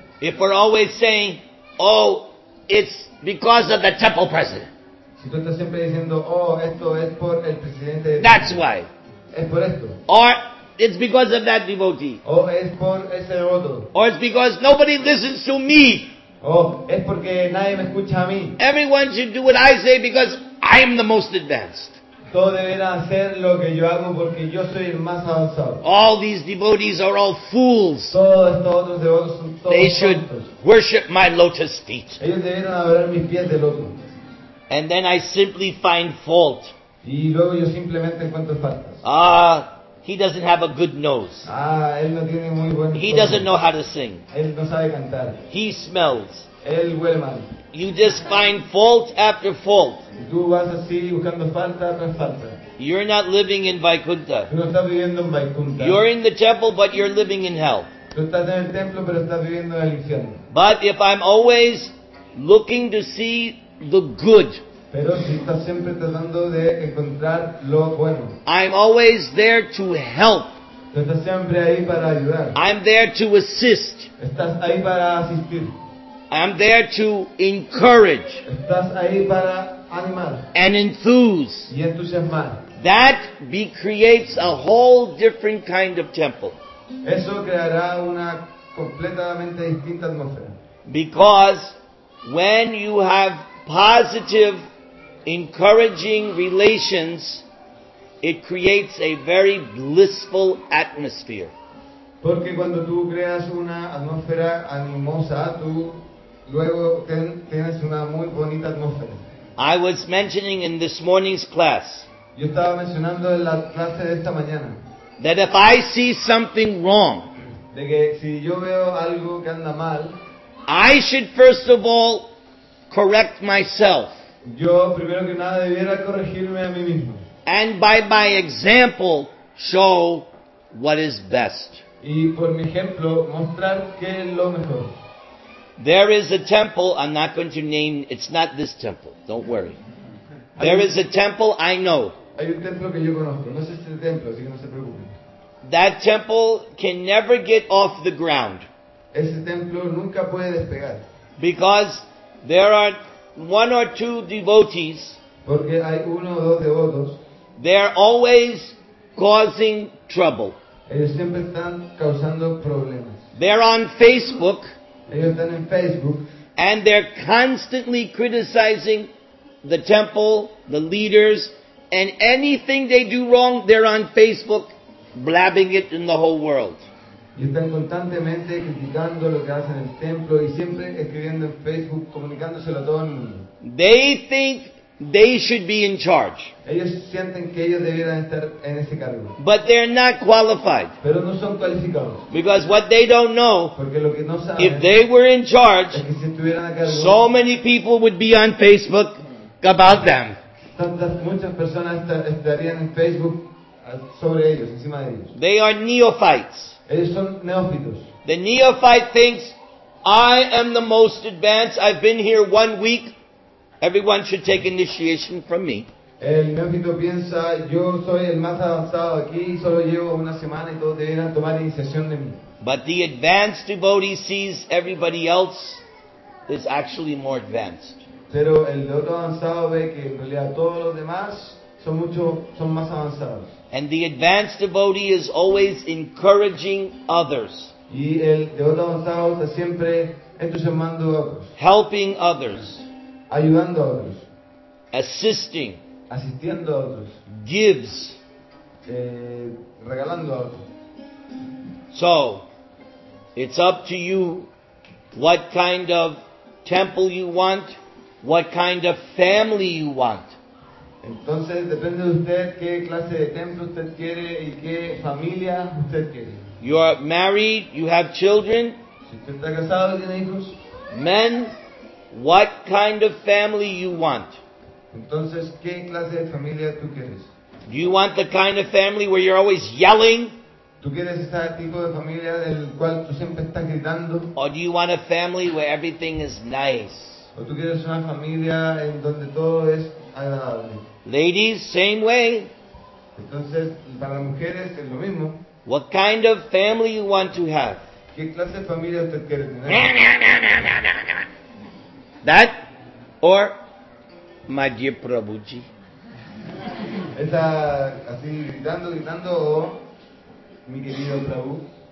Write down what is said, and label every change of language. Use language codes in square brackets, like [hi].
[en] If we're always saying, oh, it's because of the temple president. [es] Si tú estás siempre diciendo, oh, esto es por el presidente. [en] That's why. [es] Es por esto. [en] Or it's because of that devotee. [es] Oh, es por ese otro. [en] Or it's because nobody listens to me. [es] Oh, es porque nadie me escucha a mí. [en] Everyone should do what I say because I am the most advanced. [es] Todos deben hacer lo que yo hago porque yo soy el más avanzado. [en] All these devotees are all fools. [es] Todos estos otros devotos son todos. [en] They should worship my lotus feet. [es] Ellos deben adorar mis pies de loto. [en] And then I simply find fault. [es] Y luego yo simplemente encuentro faltas. [en] Ah, he doesn't have a good nose. [es] Ah, él no tiene muy buen. [en] He doesn't know how to sing. [es] Él no sabe cantar. [en] He smells. [es] Él huele mal. [en] You just find fault after fault. [es] Tú vas así buscando falta tras falta. [en] You're not living in Vaikuntha. [es] Tú no estás viviendo en Vaikuntha. [en] You're in the temple, but you're living in hell. [es] Tú estás en el templo, pero estás viviendo en el infierno. [en] But if I'm always looking to see the good. [es] Pero si estás siempre tratando de encontrar lo bueno. [en] I'm always there to help. [es] Estás siempre ahí para ayudar. [en] I'm there to assist. [es] Estás ahí para asistir. [en] I'm there to encourage. [es] Estás ahí para animar. [en] And enthuse. [es] Y entusiasmar. [en] That creates a whole different kind of temple. [es] Eso creará una completamente distinta atmósfera. [en] Because when you have positive, encouraging relations, it creates a very blissful atmosphere. [es] Porque cuando tú creas una atmósfera animosa, tú luego tienes una muy bonita atmósfera. [en] I was mentioning in this morning's class. [es] Yo estaba mencionando en la clase de esta mañana. [en] That if I see something wrong, [es] de que si yo veo algo que anda mal, [en] I should first of all correct myself. [es] Yo primero que nada debiera corregirme a mí mismo. [en] And by my example, show what is best. [es] Y por mi ejemplo, mostrar qué es lo mejor. [en] There is a temple, I'm not going to name, it's not this temple, don't worry. There is a temple I know. [es] Hay un templo que yo conozco, no es este templo, así que no se preocupen. [en] That temple can never get off the ground. [es] Ese templo nunca puede despegar. [en] Because there are one or two devotees. [es] Porque hay uno o dos devotos. [en] They're always causing trouble. [es] Ellos siempre están causando problemas. [en] They're on Facebook. [es] Ellos están en Facebook. [en] And they're constantly criticizing the temple, the leaders, and anything they do wrong, they're on Facebook blabbing it in the whole world. [es] Y están constantemente criticando lo que hacen en el templo y siempre escribiendo en Facebook, comunicándoselo a todo el mundo. [en] They think they should be in charge. [es] Ellos sienten que ellos debieran estar en ese cargo. [en] But they're not qualified. [es] Pero no son cualificados. [en] Because what they don't know, [es] porque lo que no saben, [en] if they were in charge, [es] es que si estuvieran a cargo, [en] so many people would be on Facebook about them. [es] Tantas, muchas personas estarían en Facebook sobre ellos, encima de ellos. [en] They are neophytes. [es] Ellos son neófitos. [en] The neophyte thinks, I am the most advanced, I've been here 1 week, everyone should take initiation from me. [es] El neófito piensa, yo soy el más avanzado aquí, solo llevo una semana y todos deberían tomar iniciación de mí. [en] But the advanced devotee sees everybody else is actually more advanced. [es] Pero el devoto avanzado ve que en realidad todos los demás son más avanzados. [en] And the advanced devotee is always encouraging others. [es] Y el devoto avanzado está siempre entusiasmando a otros. [en] Helping others. [es] Ayudando a otros. [en] Assisting. [es] Asistiendo a otros. [en] Gives. [es] Regalando a otros. [en] So, it's up to you what kind of temple you want, what kind of family you want. [es] Entonces, depende de usted qué clase de templo usted quiere y qué familia usted quiere. [en] You are married, you have children. [es] Si usted está casado, tiene hijos. [en] Men, what kind of family you want? [es] Entonces, ¿qué clase de familia tú quieres? [en] Do you want the kind of family where you're always yelling? [es] ¿Tú quieres ese tipo de familia del cual tú siempre estás gritando? [en] Or do you want a family where everything is nice? [es] ¿O tú quieres una familia en donde todo es agradable? [en] Ladies, same way. [es] Entonces, para mujeres es lo mismo. [en] What kind of family you want to have? [es] ¿Qué clase de familia usted quiere tener? [en] That or my dear Prabhuji. [es] Está así gritando, o mi querido Prabhu.